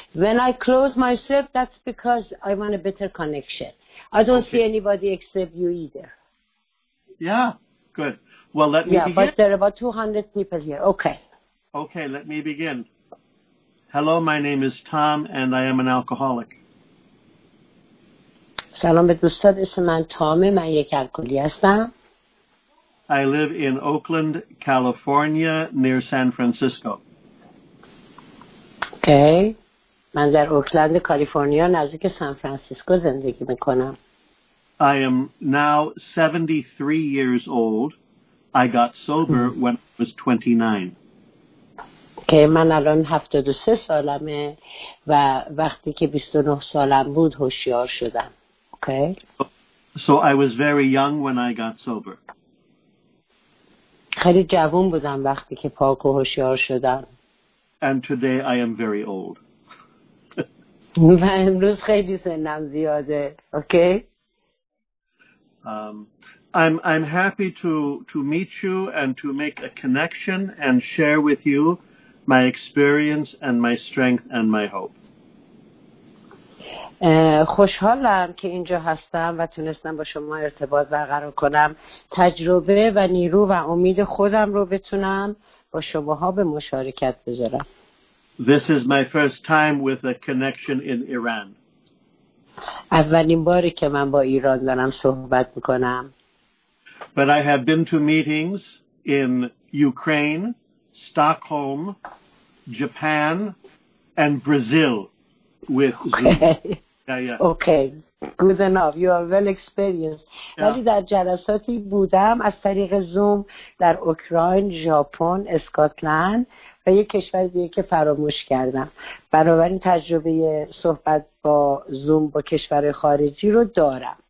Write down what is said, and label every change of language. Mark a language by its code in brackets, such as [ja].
[en] When I close myself, that's because I want a better connection. I don't see anybody except you either. Yeah, good. Well, let me begin. Yeah, but there are about 200 people here. Okay. Okay, let me begin. Hello, my name is Tom, and I am an alcoholic. [fa] سلام به دوستان، اسم من تامه، من یک الکلی هستم. [en] I live in Oakland, California, near San Francisco. Okay. [fa] من در اوکلند، کالیفرنیا، نزدیک سان فرانسیسکو زندگی میکنم. [en] I am now 73 years old. I got sober when I was 29. [fa] Okay, من الان 73 سالمه و وقتی که 29 سالم بود هوشیار شدم. [en] Okay. So I was very young when I got sober. [fa] خیلی جوان بودم وقتی که پاک و هوشیار شدم. [en] And today I am very old. [fa] و امروز خیلی سنم زیاده. Okay. [en] I'm happy to meet you and to make a connection and share with you my experience and my strength and my hope. [fa] خوشحالم که اینجا هستم و تونستم با شما ارتباط برقرار کنم. تجربه و نیرو و امید خودم رو بتونم با شماها به مشارکت بذارم. [en] This is my first time with a connection in Iran. [fa] اولین باری که من با ایران دارم صحبت میکنم. [en] But I have been to meetings in Ukraine, Stockholm, Japan, and Brazil with Zoom. Okay. Good enough. You are well experienced. [fa] ولی در جلساتی بودم از طریق زوم در اوکراین، ژاپن، اسکاتلند و یک کشور دیگه که فراموش کردم. بنابراین تجربه صحبت با زوم با کشور خارجی رو دارم.